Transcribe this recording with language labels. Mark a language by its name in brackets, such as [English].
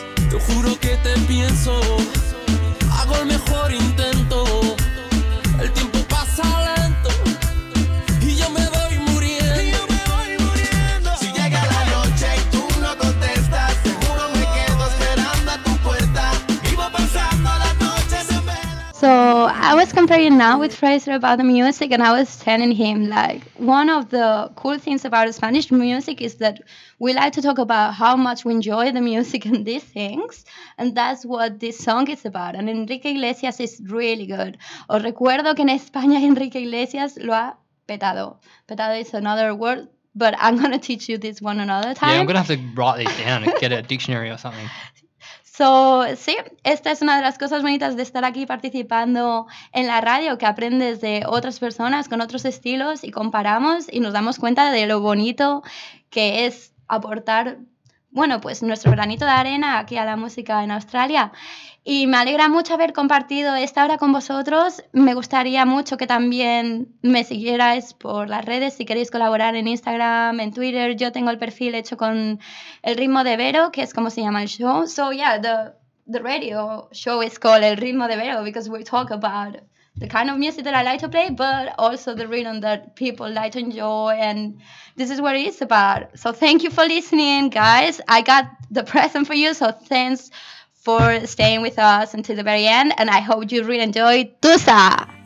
[Spanish] Te juro que te pienso, hago el mejor intento. El tiempo pasa lento y yo me voy muriendo. Y yo me voy muriendo. Si llega la noche y tú no contestas, seguro me quedo esperando a tu puerta. Vivo pensando la noche en vela. [English] So I was comparing now with Fraser about the music, and I was telling him like one of the cool things about Spanish music is that we like to talk about how much we enjoy the music and these things, and that's what this song is about. And Enrique Iglesias is really good. [Spanish] Os recuerdo que en España Enrique Iglesias lo ha petado. [English] Petado is another word, but I'm going to teach you this one another time. Yeah, I'm going to have to write this down and get a dictionary or something. [Spanish] So, sí, esta es una de las cosas bonitas de estar aquí participando en la radio, que aprendes de otras personas con otros estilos y comparamos y nos damos cuenta de lo bonito que es aportar, bueno, pues nuestro granito de arena aquí a la música en Australia. Y me alegra mucho haber compartido esta hora con vosotros. Me gustaría mucho que también me siguierais por las redes si queréis colaborar en Instagram, en Twitter. Yo tengo el perfil hecho con el ritmo de Vero, que es como se llama el show. [English] So yeah, the radio show is called El Ritmo de Vero because we talk about the kind of music that I like to play, but also the rhythm that people like to enjoy. And this is what it's about. So thank you for listening, guys. I got the present for you. So thanks for staying with us until the very end. And I hope you really enjoy Tusa.